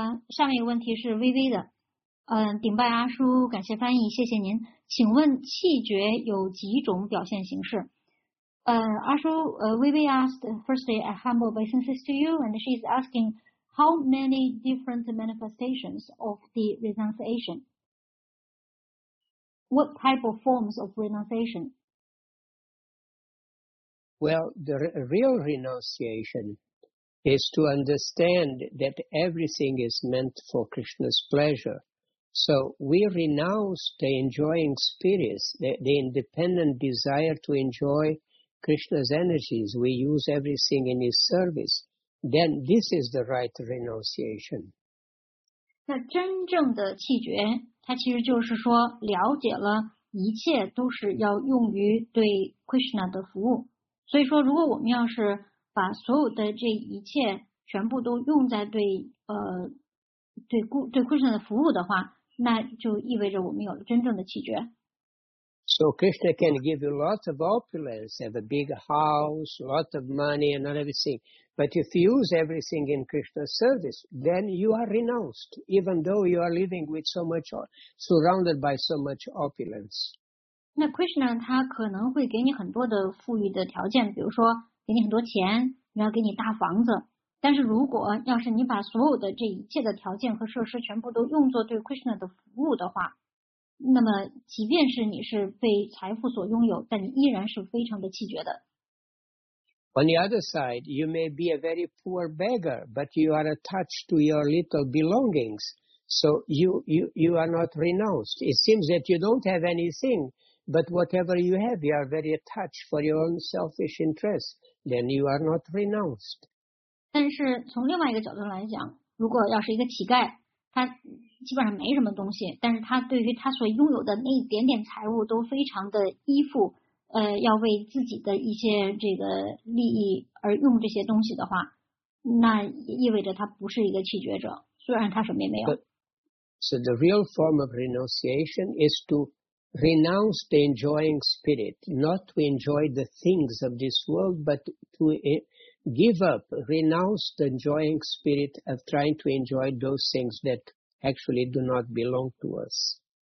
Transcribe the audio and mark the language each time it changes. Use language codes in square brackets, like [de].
[zh] 下面一个问题是 VV 的。顶拜阿叔，感谢翻译，谢谢您。请问气绝有几种表现形式？ [en] 阿叔，VV asked, firstly, a humble obeisances to you, and she's asking how many different manifestations of the renunciation? What type of forms of renunciation? Well, the real renunciation is to understand that everything is meant for Krishna's pleasure. So we renounce the enjoying spirits, the independent desire to enjoy Krishna's energies. We use everything in his service. Then this is the right renunciation. [zh] 那真正的气绝，它其实就是说了解了一切都是要用于对 Krishna 的服务。所以说，如果我们要是把所有的这一切全部都用在对 Krishna 的服务的话，那就意味着我们有了真正的气绝。 [en] So Krishna can give you lots of opulence, have a big house, lots of money and not everything. But if you use everything in Krishna's service, then you are renounced, even though you are living with so much, surrounded by so much opulence. [zh] 那 Krishna 他可能会给你很多的富裕的条件，比如说给你很多钱，然后给你大房子。但是如果要是你把所有的这一切的条件和设施全部都用作对 Krishna 的服务的话，那么即便是你是被财富所拥有，但你依然是非常的气绝的。 [en] On the other side, you may be a very poor beggar, but you are attached to your little belongings, so you are not renounced. It seems that you don't have anything, but whatever you have, you are very attached for your own selfish interests. Then you are not renounced. [zh] 但是从另外一个角度来讲，如果要是一个乞丐，他基本上没什么东西，但是他对于他所拥有的那一点点财物都非常的依附，要为自己的一些这个利益而用这些东西的话，那也意味着他不是一个气绝者，虽然他什么也没有。 [en] So the real form of renunciation is to renounce the enjoying spirit, not to enjoy the things of this world, but to give up, renounce the enjoying spirit of trying to enjoy those things that actually do not belong to us.